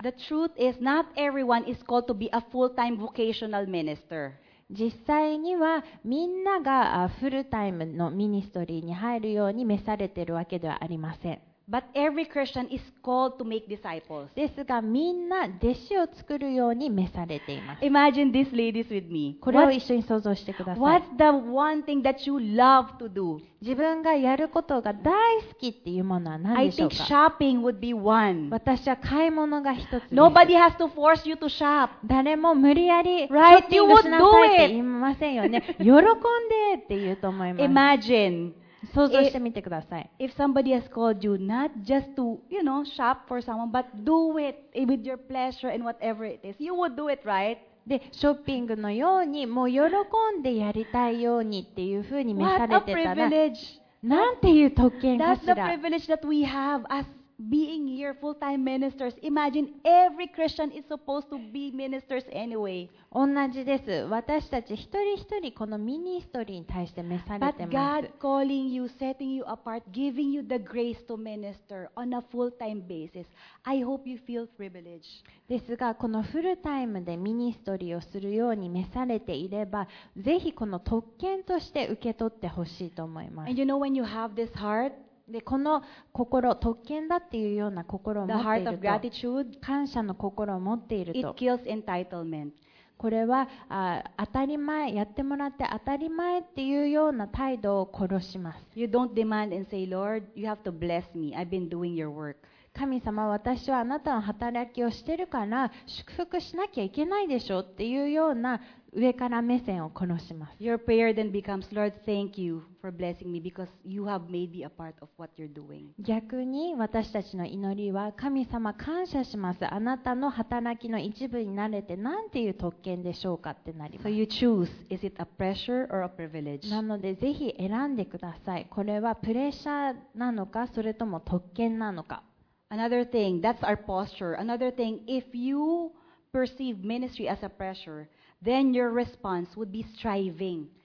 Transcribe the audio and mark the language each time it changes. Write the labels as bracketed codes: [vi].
[en] The truth is not everyone is called to be a full-time vocational minister. [ja] 実際にはみんながフルタイムのミニストリーに入るように召されているわけではありません。 [en] But every Christian is called to make disciples. [ja] ですがみんな弟子を作るように召されています。 [en] Imagine these ladies with me. [ja] これを一緒に想像してください。 [en] What's the one thing that you love to do? [ja] 自分がやることが大好きっていうものは何でしょうか? [en] I think shopping would be one. [ja] 私は買い物が一つです。 [en] Nobody has to force you to shop. [ja] 誰も無理やりショッピングしなさいって言いませんよね。喜んでって言うと思います。 [en] Imagine. [ja] 想像してみてください。 [en] If somebody has called you not just to, you know, shop for someone, but do it with your pleasure and whatever it is, you would do it, right? [ja] で、ショッピングのようにもう喜んでやりたいようにっていうふうに召されてたら、 [en] What a privilege! [ja] なんていう特権かしら。 [en] That's the privilege that we have as being here full-time ministers. Imagine every Christian is supposed to be ministers anyway. [ja] 同じです。私たち一人一人このミニストリーに対して召されています。 [en] But God calling you, setting you apart, giving you the grace to minister on a full-time basis. I hope you feel privileged. [ja] ですが、このフルタイムでミニストリーをするように召されていれば、ぜひこの特権として受け取ってほしいと思います。 [en] And you know when you have this heart? [ja] でこの心、特権だっていうような心を持っていると、感謝の心を持っていると、 [en] It kills entitlement. [ja] これは当たり前やってもらって当たり前っていうような態度を殺します。 [en] You don't demand and say, Lord, you have to bless me. I've been doing your work. [ja] 神様、私はあなたの働きをしてるから祝福しなきゃいけないでしょうっていうような上から目線を下します。 [en] Your prayer then becomes, Lord, thank you for blessing me because you have made me a part of what you're doing. [ja] 逆に私たちの祈りは、神様感謝します。あなたの働きの一部になれて、なんていう特権でしょうかってなります。 [en] So you choose, is it a pressure or a privilege? [ja] なのでぜひ選んでください。これはプレッシャーなのか、それとも特権なのか。 [en] Another thing, that's our posture. Another thing, if you perceive ministry as a pressure,Then your response would be striving.